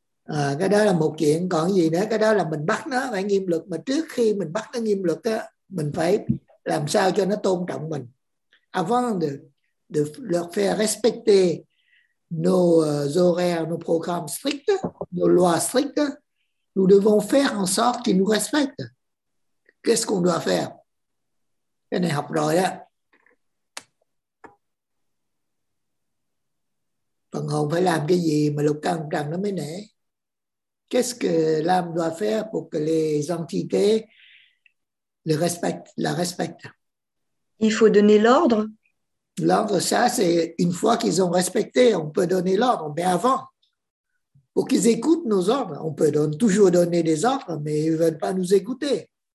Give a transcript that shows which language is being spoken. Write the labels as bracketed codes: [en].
[vi] À, cái đó là một chuyện, còn gì nữa, cái đó là mình bắt nó phải nghiêm luật, mà trước khi mình bắt nó nghiêm luật á, mình phải làm sao cho nó tôn trọng mình. [fr] Avant de le faire respecter nos horaires, nos programmes stricts, nos lois strictes, nous devons faire en sorte qu'ils nous respectent. Qu'est-ce qu'on doit faire? [vi] Cái này học rồi á. Phần hồn phải làm cái gì mà lục căn trần nó mới nể? [fr] Qu'est-ce que l'âme doit faire pour que les entités le respectent, la respectent? Il faut donner l'ordre. L'ordre, ça, c'est une fois qu'ils ont respecté, on peut donner l'ordre. Mais avant, pour qu'ils écoutent nos ordres, on peut toujours donner des ordres, mais ils ne veulent pas nous écouter.